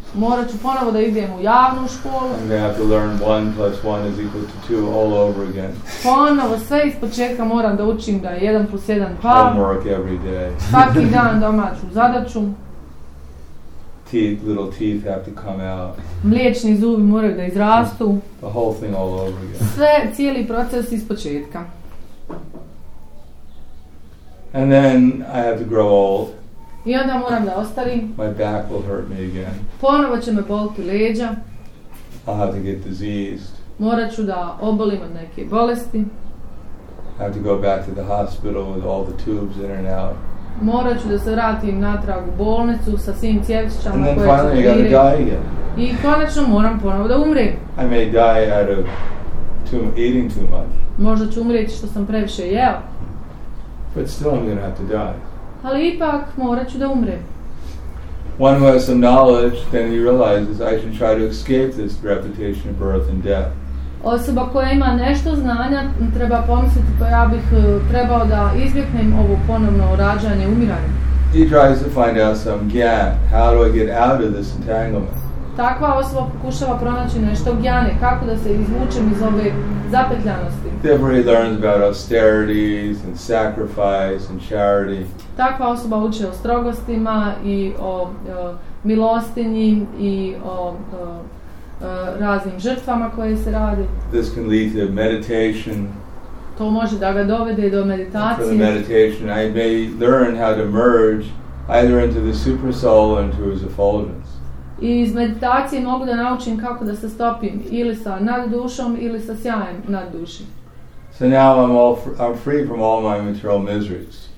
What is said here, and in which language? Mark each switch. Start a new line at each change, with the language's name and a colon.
Bosnian: Morat ću ponovo da idem u javnu školu.
English: I'm going to have to learn 1 + 1 = 2 all over again.
Bosnian: Ponovo sve iz početka moram da učim da je 1 + 1 pa.
English: Homework every day.
Bosnian: Svaki dan domaću zadaću.
English: Teeth, little teeth have to come out.
Bosnian: Mliječni zubi moraju da izrastu.
English: The whole thing all over again.
Bosnian: Sve, cijeli proces iz početka.
English: And then I have to grow old.
Bosnian: I onda moram da ostarim.
English: My back will hurt me again.
Bosnian: Ponovo će me boliti leđa.
English: I'll have to get diseased.
Bosnian: Morat ću da obolim od neke bolesti.
English: I have to go back to the hospital with all the tubes in and out.
Bosnian: Morat ću da se vratim natrag u bolnicu sa svim cjevićama koje će virati.
English: And then finally I gotta die again.
Bosnian: I konačno moram ponovo da umrem.
English: I may die out of eating too much.
Bosnian: Možda ću umrijeti što sam previše jeo.
English: But still I'm gonna have to die.
Bosnian: Ali ipak morat ću da umrem.
English: One who has some knowledge, then he realizes I should try to escape this repetition of birth and death.
Bosnian: Osoba koja ima nešto znanja treba pomisliti pa ja bih trebao da izbjegnem ovo ponovno rađanje, umiranje.
English: He tries to find out some gyan. How do I get out of this entanglement?
Bosnian: Takva osoba pokušava pronaći nešto gyane, kako da se izvučem iz ove zapetljanosti.
English: Therefore he learns about austerities and sacrifice and charity.
Bosnian: Takva osoba uči o strogostima i o milostinji i o raznim žrtvama koje se radi.
English: This can lead to meditation.
Bosnian: To može da ga dovede do meditacije.
English: For the meditation, I may learn how to merge either into the super soul or into his effulgence.
Bosnian: I iz meditacije mogu da naučim kako da se stopim ili sa naddušom ili sa sjajem nadduši.
English: So now I'm free from all my material miseries.